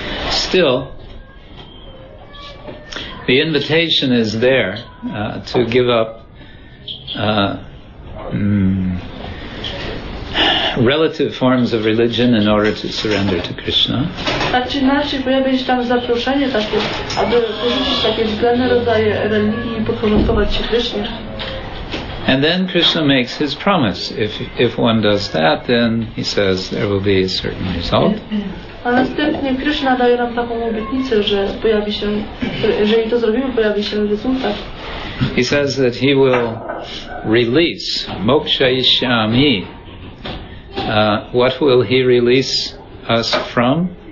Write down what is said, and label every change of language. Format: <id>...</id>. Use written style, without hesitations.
<en>Still, the invitation is there to give up relative forms of religion in order to surrender to Krishna.</en> <pl>Tak czy inaczej, pojawia się tam zaproszenie takie, aby porzucić takie względne rodzaje religii i podporządkować się Krishna.</pl> <en>And then Krishna makes his promise. If one does that, then he says there will be a certain result.</en> <pl>A następnie Krishna daje nam taką obietnicę, że pojawi się, jeżeli to zrobimy, pojawi się rezultat.</pl> <en>He says that he will release moksha ishyami. What will he release us from?</en>